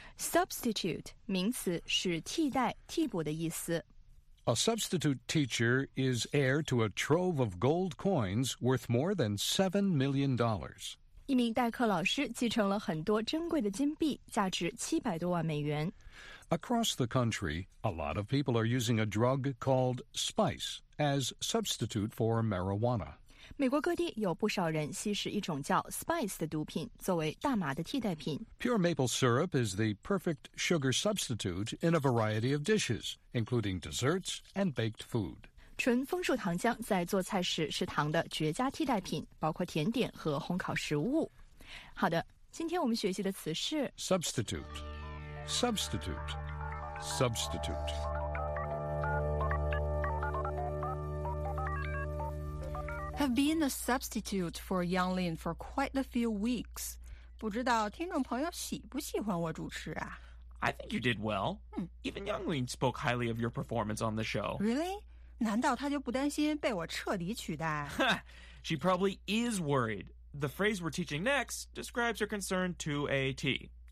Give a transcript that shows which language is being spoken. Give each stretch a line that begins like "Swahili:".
Chinese: Substitute, 名词是替代、替补的意思。
English: A substitute teacher is heir to a trove of gold coins worth more than $7 million.
Chinese: 一名代课老师继承了很多珍贵的金币，价值700多万美元。
English: Across the country, a lot of people are using a drug called spice as substitute for marijuana.
Chinese: 美国各地有不少人吸食一种叫 spice 的毒品，作为大麻的替代品。
English: Pure maple syrup is the perfect sugar substitute in a variety of dishes, including desserts and baked food.
Chinese: 纯枫树糖浆在做菜时是糖的绝佳替代品，包括甜点和烘烤食物。好的，今天我们学习的词是
English: substitute, substitute, substitute. I've been a substitute for Yang Lin for quite a few weeks.
Chinese: 不知道听众朋友喜不喜欢我主持啊？
English: I think you did well. Even Yang Lin spoke highly of your performance on the show. Really?
Chinese: 难道他就不担心被我彻底取代？
English: She probably is worried. The phrase we're teaching next describes her concern to a T.